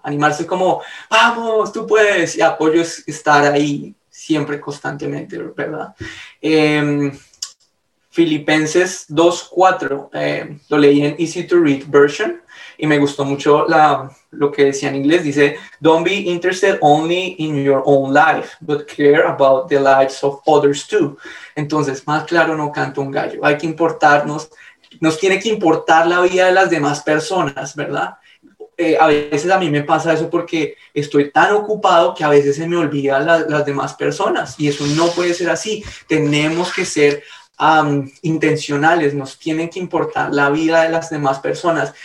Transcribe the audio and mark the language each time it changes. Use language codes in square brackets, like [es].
[es] Animarse es como, vamos, tú puedes. Y apoyo es estar ahí siempre, constantemente, ¿verdad? Filipenses 2:4, lo leí en Easy to Read Version y me gustó mucho lo que decía en inglés. [en] Dice, don't be interested only in your own life, but care about the lives of others too. [es] Entonces, más claro no canta un gallo. Hay que importarnos, nos tiene que importar la vida de las demás personas, ¿verdad? A veces a mí me pasa eso porque estoy tan ocupado que a veces se me olvidan las demás personas, y eso no puede ser así. Tenemos que ser intencionales, nos tienen que importar la vida de las demás personas.